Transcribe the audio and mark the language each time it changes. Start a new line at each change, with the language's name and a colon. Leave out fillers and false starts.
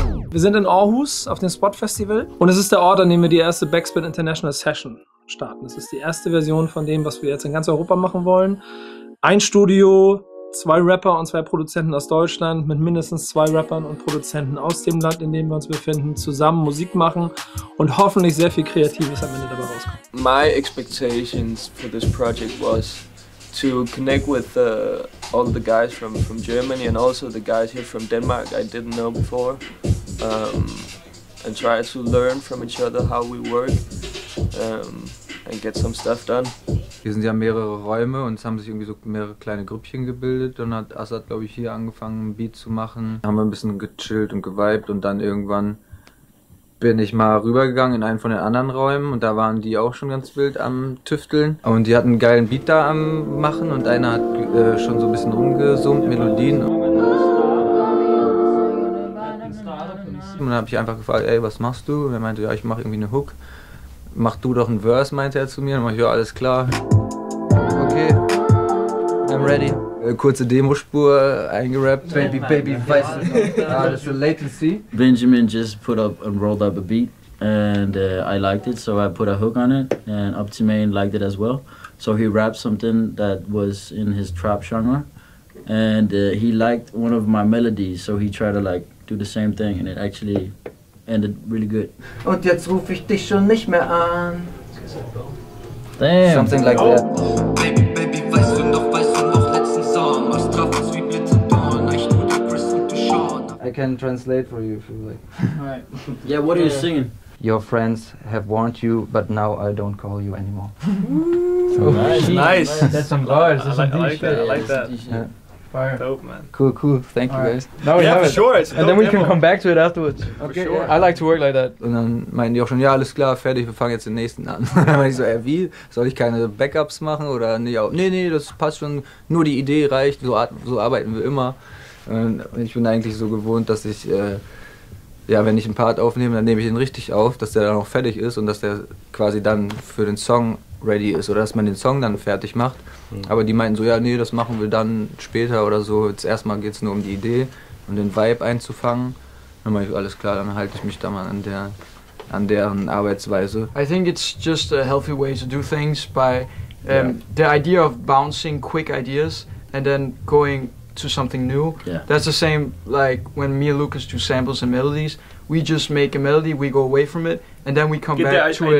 German: Wir sind in Aarhus auf dem Spot Festival und es ist der Ort, an dem wir die erste Backspin International Session starten. Es ist die erste Version von dem, was wir jetzt in ganz Europa machen wollen. Ein Studio, 2 Rapper und 2 Produzenten aus Deutschland mit mindestens 2 Rappern und Produzenten aus dem Land, in dem wir uns befinden, zusammen Musik machen und hoffentlich sehr viel Kreatives am Ende dabei rauskommt.
English: My expectations for this project was to connect with all the guys from Germany and also the guys here from Denmark I didn't know before. And try to learn from each other how we work and get some stuff done.
German: Wir sind ja mehrere Räume und es haben sich irgendwie so mehrere kleine Grüppchen gebildet. Dann hat Assad, glaube ich, hier angefangen, ein Beat zu machen. Dann haben wir ein bisschen gechillt und gevibed und dann irgendwann bin ich mal rübergegangen in einen von den anderen Räumen und da waren die auch schon ganz wild am Tüfteln. Und die hatten einen geilen Beat da am Machen und einer hat schon so ein bisschen rumgesummt, Melodien. Und dann habe ich einfach gefragt, ey, was machst du? Und er meinte, ja, ich mache irgendwie eine Hook. Mach du doch einen Verse, meinte er zu mir. Und dann mache ich, ja, alles klar.
English: Okay, I'm ready.
German: Kurze Demospur eingerappt. Baby, baby, baby, weiß es noch. Das ist eine Latency.
English: Benjamin just put up and rolled up a beat. And I liked it, so I put a hook on it. And Optimane liked it as well. So he rapped something that was in his trap genre. And he liked one of my melodies, so he tried to like do the same thing and it actually ended really good.
German: Und jetzt rufe ich dich schon nicht mehr an.
English: Damn. Something like that.
German: Baby, baby, weißt du noch letzten Song? Was traf uns wie Blitzendorn? Ich nur die Chris und die Sean.
English: I can translate for you if you like. Right. Yeah, what are you singing? Your friends have warned you, but now I don't call you anymore. Ooh, nice. That's some bars. I like that. Fire. Dope, man. Cool, thank all you guys. Right. Now we have it. Sure, it's and then we demo. Can come back to it afterwards. Okay, for sure. I like to work like that.
German: Und dann meinten die auch schon, ja, alles klar, fertig, wir fangen jetzt den nächsten an. Dann meinte ich so, ey, wie? Soll ich keine Backups machen? Oder nee, auch, nee, das passt schon, nur die Idee reicht, so arbeiten wir immer. Und ich bin eigentlich so gewohnt, dass ich, ja, wenn ich einen Part aufnehme, dann nehme ich ihn richtig auf, dass der dann auch fertig ist und dass der quasi dann für den Song ready ist oder dass man den Song dann fertig macht. Aber die meinten so, ja, nee, das machen wir dann später oder so. Jetzt erstmal geht es nur um die Idee und den Vibe einzufangen. Dann mache ich, alles klar, dann halte ich mich da mal an deren Arbeitsweise.
English: I think it's just a healthy way to do things by the idea of bouncing quick ideas and then going to something new. Yeah. That's the same like when me and Lucas do samples and melodies. We just make a melody, we go away from it, and then we come get back to idea